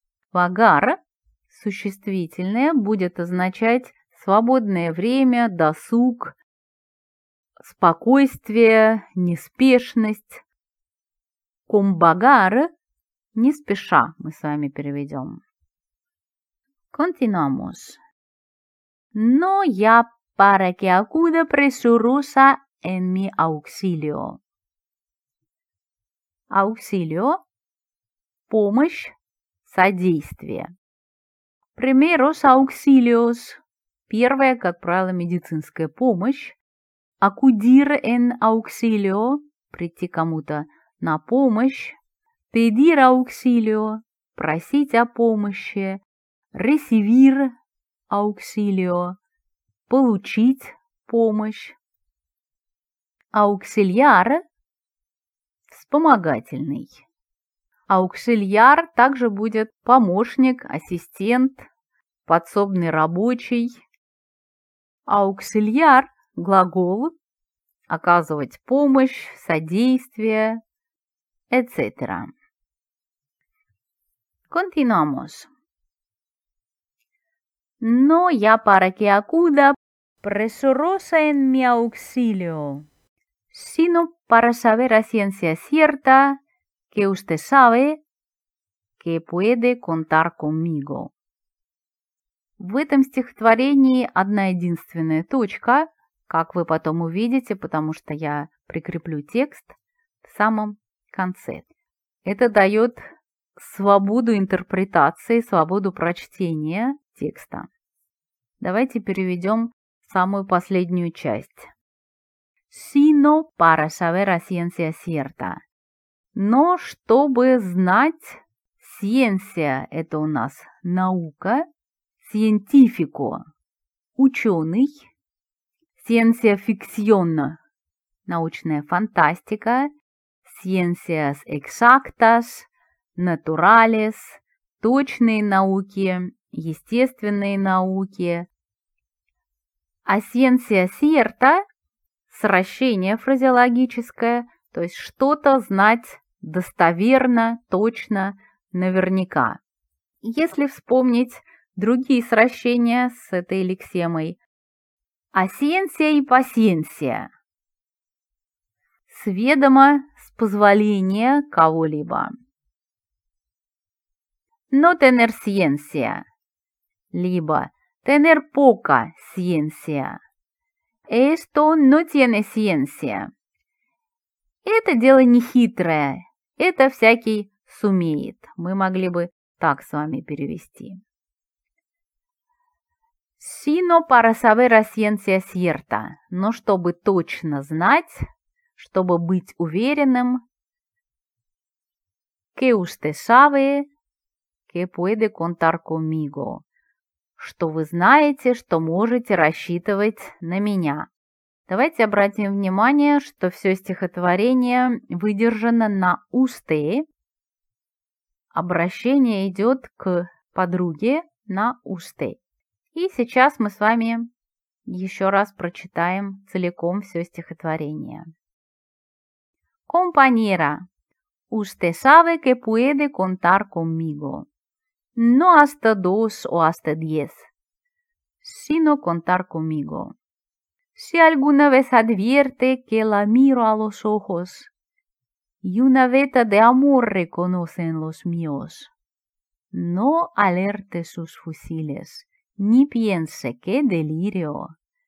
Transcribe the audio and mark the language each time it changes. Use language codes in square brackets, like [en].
[ru] Вагар, существительное, будет означать свободное время, досуг, спокойствие, неспешность. Комбагар. Не спеша мы с вами переведем. [es] Continuamos. No ya para que acuda presurosa en mi auxilio. [ru] Auxilio. Помощь, содействие. [es] Primeros auxilios. [ru] Первое, как правило, медицинская помощь. [es] Acudir en auxilio. [ru] Прийти кому-то на помощь. [es] Pedir auxilio [ru] – просить о помощи. [es] Recibir auxilio – [ru] получить помощь. [es] Auxiliar – вспомогательный. [ru] Auxiliar также будет помощник, ассистент, подсобный рабочий. Auxiliar – глагол – оказывать помощь, содействие, etc. [es] Continuamos. No ya para que acuda presurosa en mi auxilio, sino para saber a ciencia cierta que usted sabe que puede contar conmigo. [ru] В этом стихотворении одна единственная точка, как вы потом увидите, потому что я прикреплю текст в самом конце. Это дает свободу интерпретации, свободу прочтения текста. Давайте переведем самую последнюю часть. [es] Sino para saber a ciencia cierta. [ru] Но чтобы знать, ciencia – это у нас наука, scientifico – ученый, [es] ciencia ficción [ru] – научная фантастика, [es] ciencias exactas – naturales, [ru] точные науки, естественные науки. [es] A ciencia cierta, [ru] сращение фразеологическое, то есть что-то знать достоверно, точно, наверняка. Если вспомнить другие сращения с этой лексемой. [es] A ciencia и paciencia. [ru] Сведомо, с позволения кого-либо. [es] No tener ciencia, либо tener poca ciencia. Esto no tiene ciencia. [ru] Это дело не хитрое, это всякий сумеет. Мы могли бы так с вами перевести. [es] Sino para saber la ciencia cierta. [ru] Но чтобы точно знать, чтобы быть уверенным. [es] Que usted sabe que puede contar conmigo. [ru] Что вы знаете, что можете рассчитывать на меня. Давайте обратим внимание, что все стихотворение выдержано на «usted». Обращение идет к подруге на «usted». И сейчас мы с вами еще раз прочитаем целиком все стихотворение. [es] Compañera, usted sabe que puede contar conmigo. No hasta dos o hasta diez, sino contar conmigo. Si alguna vez advierte que la miro a los ojos y una veta de amor reconoce en los míos, no alerte sus fusiles, ni piense qué delirio.